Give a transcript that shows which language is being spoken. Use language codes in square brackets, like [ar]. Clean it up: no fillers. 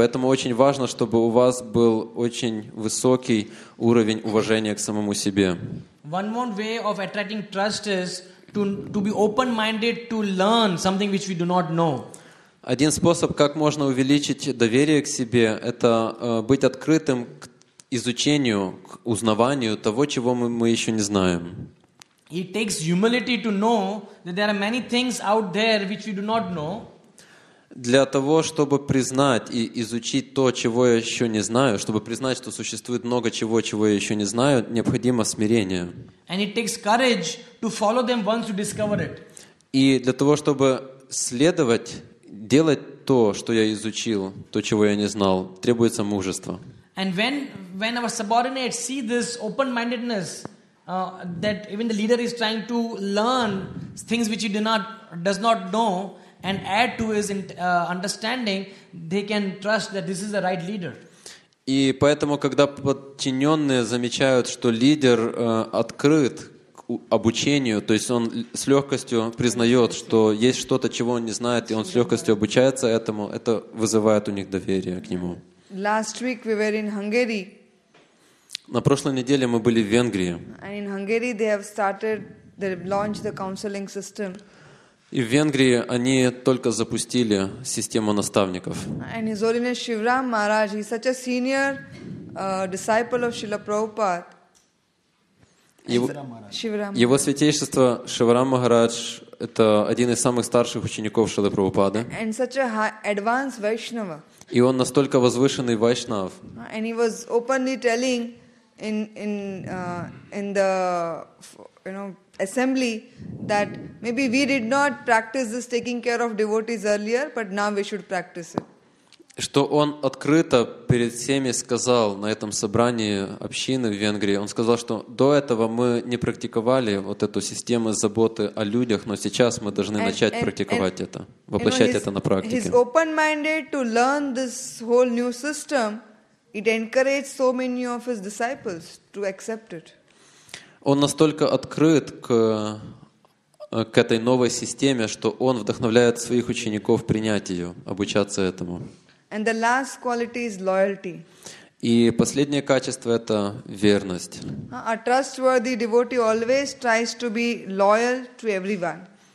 [ru] Поэтому очень важно, чтобы у вас был очень высокий уровень уважения к самому себе. [en] One more way of attracting trust is to be open-minded to learn something which we do not know. [ru] Один способ, как можно увеличить доверие к себе, это быть открытым к изучению, к узнаванию того, чего мы еще не знаем. [en] It takes humility to know that there are many things out there which we do not know. [ru] Для того, чтобы признать и изучить то, чего я еще не знаю, чтобы признать, что существует много чего, чего я еще не знаю, необходимо смирение. [en] And it takes courage to follow them once you discover it. [ru] И для того, чтобы следовать делать то, что я изучил, то, чего я не знал, требуется мужество. [en] And when our subordinates see this open-mindedness, that even the leader is trying to learn things which he does not know and add to his understanding, they can trust that this is the right leader. [ru] И поэтому, когда подчиненные замечают, что лидер открыт обучению, то есть он с легкостью признает, что есть что-то, чего он не знает, и он с легкостью обучается этому, это вызывает у них доверие к нему. [en] Last week we were in Hungary. [ru] На прошлой неделе мы были в Венгрии. [en] And in Hungary they have started, they launched the counseling system. [ru] И в Венгрии они только запустили систему наставников. [en] And His Holiness Shivaram Maharaj, he's such a senior disciple of Srila Prabhupada. [ru] Его святейшество Шиварам Махарадж — это один из самых старших учеников Шрилы Прабхупады. [en] And such a advanced Vaishnava. [ru] И он настолько возвышенный вайшнав. [en] And he was openly telling in the assembly that maybe we did not practice this taking care of devotees earlier, but now we should practice it. [ru] Что он открыто перед всеми сказал на этом собрании общины в Венгрии. Он сказал, что до этого мы не практиковали вот эту систему заботы о людях, но сейчас мы должны начать практиковать это, воплощать это на практике. [en] He's open-minded to learn this whole new system. It encourages so many of his disciples to accept it. [ru] Он настолько открыт к этой новой системе, что он вдохновляет своих учеников принять ее, обучаться этому. [en] And the last quality is loyalty. [ru] И последнее качество — это верность. [en] A trustworthy devotee always tries to be loyal to everyone.